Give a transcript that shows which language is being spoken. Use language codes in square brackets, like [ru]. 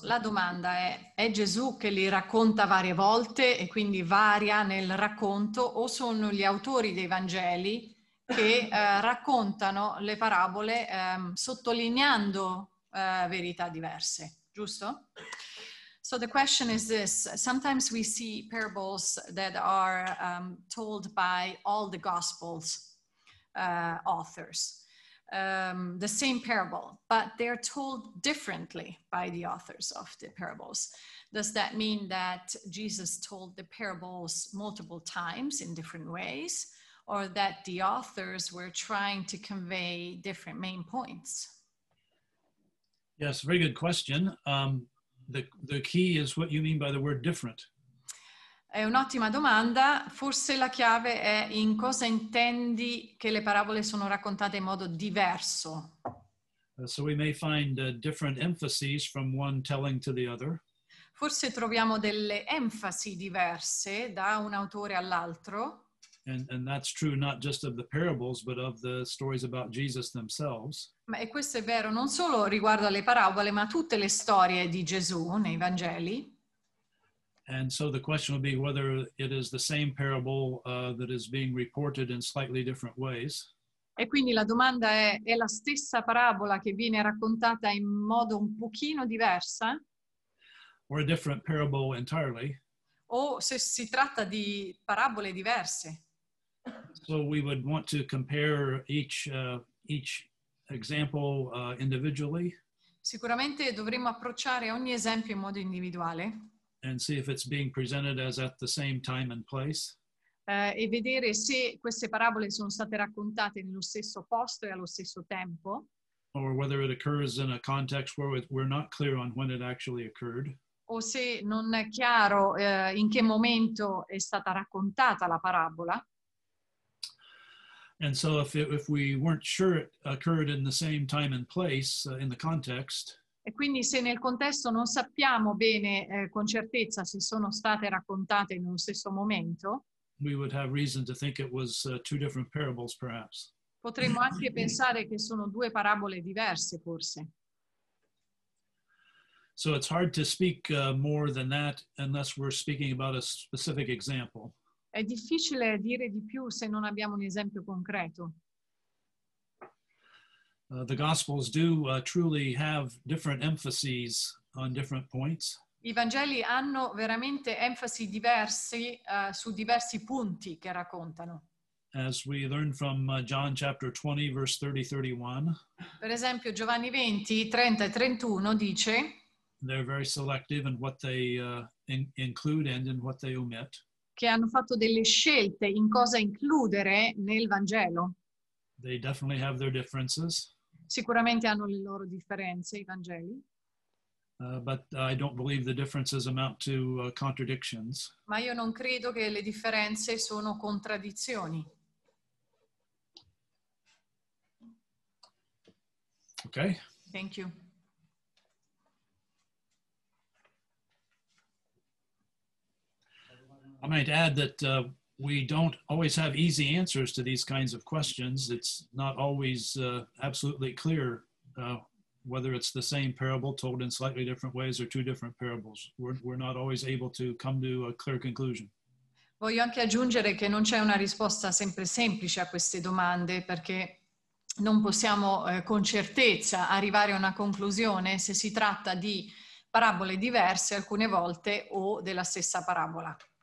[it] La domanda è Gesù che li racconta varie volte e quindi varia nel racconto, o sono gli autori dei Vangeli che raccontano le parabole sottolineando verità diverse, giusto? [en] So the question is this: sometimes we see parables that are told by all the Gospels authors, the same parable, but they're told differently by the authors of the parables. Does that mean that Jesus told the parables multiple times in different ways, or that the authors were trying to convey different main points? Yes, very good question. The key is what you mean by the word different. [it] È un'ottima domanda. Forse la chiave è in cosa intendi che le parabole sono raccontate in modo diverso. [en] So we may find different emphases from one telling to the other. [it] Forse troviamo delle enfasi diverse da un autore all'altro. [en] And that's true not just of the parables, but of the stories about Jesus themselves. [it] Ma e questo è vero non solo riguardo alle parabole, ma tutte le storie di Gesù nei Vangeli. [en] And so the question would be whether it is the same parable that is being reported in slightly different ways. [it] E quindi la domanda è la stessa parabola che viene raccontata in modo un pochino diversa? [en] Or a different parable entirely. [it] O se si tratta di parabole diverse. [en] So we would want to compare each example individually. [it] Sicuramente dovremmo approcciare ogni esempio in modo individuale. [en] And see if it's being presented as at the same time and place. [it] E vedere se queste parabole sono state raccontate nello stesso posto e allo stesso tempo. [en] Or whether it occurs in a context where we're not clear on when it actually occurred. [it] O se non è chiaro in che momento è stata raccontata la parabola. [en] And so if we weren't sure it occurred in the same time and place in the context. [it] E quindi se nel contesto non sappiamo bene con certezza se sono state raccontate in uno stesso momento. [en] We would have reason to think it was two different parables perhaps. [it] Potremmo anche pensare che sono due parabole diverse forse. [en] So it's hard to speak more than that unless we're speaking about a specific example. [it] È difficile dire di più se non abbiamo un esempio concreto. [en] The Gospels do truly have different emphases on different points. [it] I Vangeli hanno veramente enfasi diversi su diversi punti che raccontano. [en] As we learn from John chapter 20, verse 30-31. [it] Per esempio, Giovanni 20, 30 e 31 dice. [en] They're very selective in what they include and in what they omit. [it] Che hanno fatto delle scelte in cosa includere nel Vangelo. [en] They definitely have their differences. [it] Sicuramente hanno le loro differenze, i Vangeli. [en] But I don't believe the differences amount to contradictions. [it] Ma io non credo che le differenze sono contraddizioni. [en] Okay. Thank you. I might add that we don't always have easy answers to these kinds of questions. It's not always absolutely clear whether it's the same parable told in slightly different ways or two different parables. We're not always able to come to a clear conclusion. [it] Voglio anche aggiungere che non c'è una risposta sempre semplice a queste domande, perché non possiamo con certezza arrivare a una conclusione se si tratta di parabole diverse alcune volte o della stessa parabola.